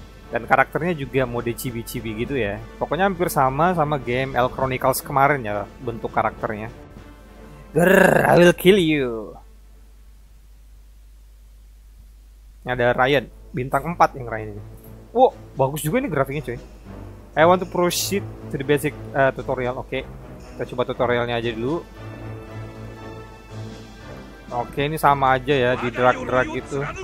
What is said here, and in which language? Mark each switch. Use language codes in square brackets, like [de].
[id] Dan karakternya juga mode chibi-chibi gitu ya. Pokoknya hampir sama sama game L Chronicles kemarin ya bentuk karakternya. [en] Grr, I will kill you. [id] Ini ada Ryan, bintang 4 yang Ryan ini. Wow, bagus juga ini grafiknya, cuy. [en] I want to proceed to the basic tutorial. [id] Oke. Kita coba tutorialnya aja dulu. Oke, ini sama aja ya di drag-drag gitu.